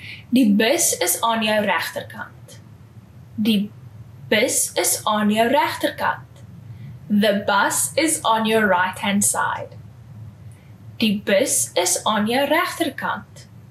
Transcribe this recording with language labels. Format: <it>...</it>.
<af>Die bus is aan jou regterkant. Die bus is aan jou regterkant.</af> <en>The bus is on your right hand side.</en> <af>Die bus is aan jou regterkant.</af>